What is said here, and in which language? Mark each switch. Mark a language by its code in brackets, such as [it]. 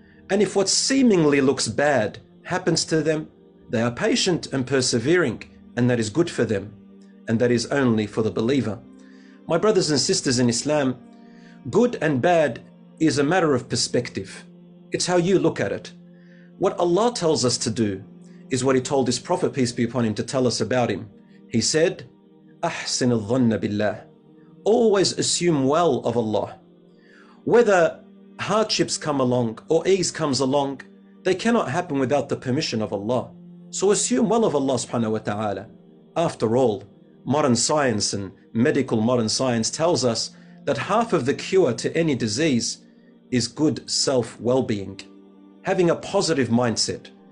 [en] And if what seemingly looks bad happens to them, they are patient and persevering and that is good for them. And that is only for the believer. My brothers and sisters in Islam, good and bad is a matter of perspective. It's how you look at it. What Allah tells us to do is what He told His Prophet, peace be upon him, to tell us about Him. He said, [ar] أحسن الظن بالله. [en] Always assume well of Allah. Whether hardships come along or ease comes along, they cannot happen without the permission of Allah. So assume well of Allah subhanahu wa ta'ala. After all, modern science and medical modern science tells us that half of the cure to any disease is good self-well-being, having a positive mindset.